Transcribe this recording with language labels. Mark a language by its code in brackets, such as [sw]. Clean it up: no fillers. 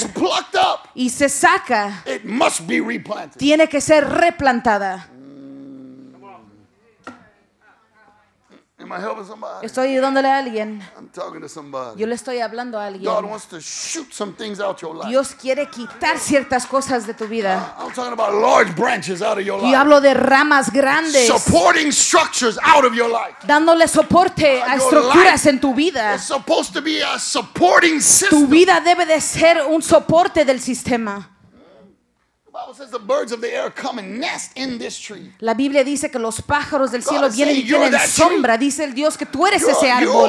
[en] And it's plucked up. [es] Y se saca. [en] It must be replanted. [es] Tiene que ser replantada. [en] Am I helping somebody? [es] Estoy ayudándole a alguien. [en] I'm talking to somebody. [es] Yo le estoy hablando a alguien. [en] God wants to shoot some things out your life. [es] Dios quiere quitar ciertas cosas de tu vida. [en] I'm talking about large branches out of your life. [es] Y hablo de ramas grandes. [en] Supporting structures out of your life. [es] Dándole soporte a estructuras en tu vida. [en] It's supposed to be a supporting system. [es] Tu vida debe de ser un soporte del sistema. [en] The Bible says the birds of the air come and nest in this tree. [es] La Biblia dice que los pájaros del cielo vienen y tienen sombra. Dice el Dios que tú eres ese árbol.